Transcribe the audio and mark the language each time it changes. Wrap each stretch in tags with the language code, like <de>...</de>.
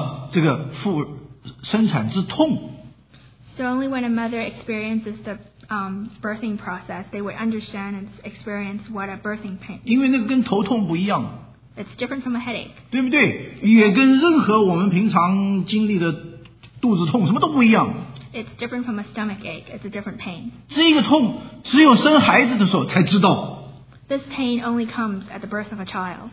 <zh>对不对？因为只有母亲生孩子的那一个经历里头，他就懂了什么叫做这个生产之痛。</zh> <en>So only when a mother experiences the birthing process, they would understand and experience what a birthing pain.</en> <zh>因为那个跟头痛不一样。</zh> <en>It's different from a headache.</en> <zh>对不对？也跟任何我们平常经历的肚子痛什么都不一样。</zh> <en>It's different from a stomach ache. It's a different pain.</en> <zh>这个痛只有生孩子的时候才知道。</zh> <en>This pain only comes at the birth of a child.</en>